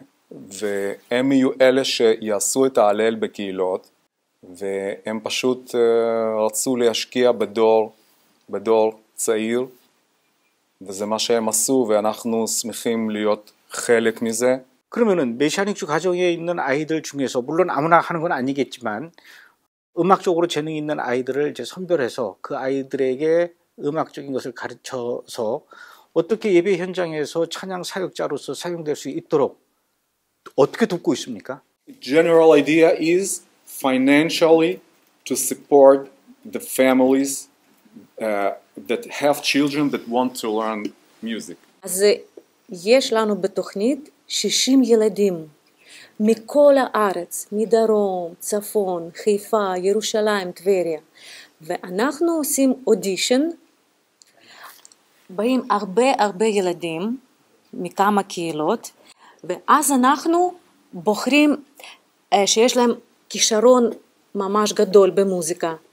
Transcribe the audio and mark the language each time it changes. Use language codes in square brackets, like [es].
[he] והם יהיו אלה שיעשו את ההלל בקהילות, והם פשוט רצו להשקיע בדור צעיר, וזה מה שהם עשו, ואנחנו שמחים להיות חלק מזה. [ko] 그러면은 메시아닉주 가정에 있는 아이들 중에서 물론 아무나 하는 건 아니겠지만 음악적으로 재능 있는 아이들을 이제 선별해서 그 아이들에게 음악적인 것을 가르쳐서 어떻게 예배 현장에서 찬양 사역자로서 사용될 수 있도록 어떻게 돕고 있습니까? [en] General idea is financially to support the families that have children that want to learn music. [he] אז יש לנו בתוכנית 60 ילדים מכל הארץ, מדרום, צפון, חיפה, ירושלים, טבריה. ואנחנו עושים אודישן, באים הרבה ילדים מכמה קהילות, ואז אנחנו בוחרים שיש להם כישרון ממש גדול במוזיקה.